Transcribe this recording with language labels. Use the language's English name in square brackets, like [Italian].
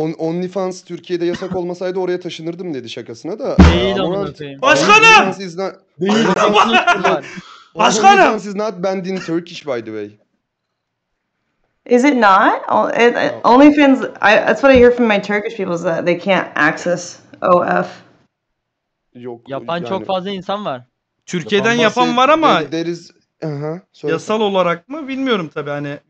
[Turkish] OnlyFans Türkiye'de yasak olmasaydı oraya taşınırdım dedi şakasına da. Değil anlatayım. Başkanım! Değil anlatayım. Başkanım! [English] OnlyFans is not banned in Turkish, by the way. Is it not? OnlyFans, that's what I hear from my Turkish people is that they can't access OF. [Turkish] Yok, yapan yani, çok fazla insan var. Türkiye'den yapan var ama yasal olarak mı bilmiyorum tabii hani.